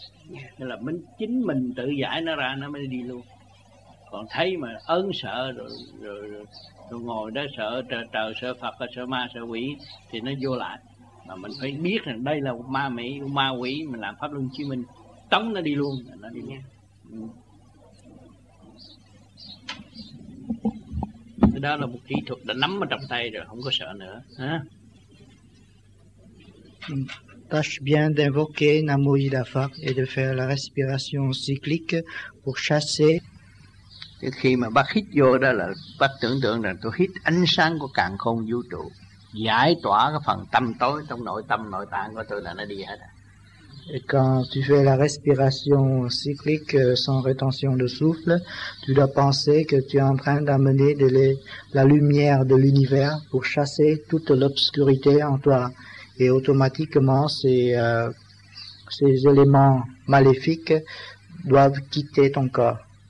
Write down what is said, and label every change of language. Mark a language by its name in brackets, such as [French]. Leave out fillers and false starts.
[Vietnamese] Nên là mình chính mình tự giải nó ra, nó mới đi luôn. Còn thấy mà ớn sợ rồi ngồi đó sợ trời, sợ Phật, sợ ma, sợ quỷ thì nó vô lại. Mà mình phải biết rằng đây là ma mỹ, ma quỷ, mình làm pháp luân chứng minh, tống nó đi luôn, nó đi nha. Cái đó là một kỹ thuật đã nắm ở trong tay rồi, không có sợ nữa. [French] Tâche bien d'invoquer Namo Ida Phật et de faire la respiration cyclique pour chasser. [Vietnamese] Cái khi mà bác hít vô đó là bác tưởng tượng rằng tôi hít ánh sáng của càn khôn vũ trụ, giải tỏa cái phần tâm tối trong nội tâm nội tạng của tôi là nó đi hết. [French] Et quand tu fais la respiration cyclique sans rétention de souffle, tu dois penser que tu es en train d'amener de la lumière de l'univers pour chasser toute l'obscurité en toi. Et automatiquement, ces éléments maléfiques doivent quitter ton corps.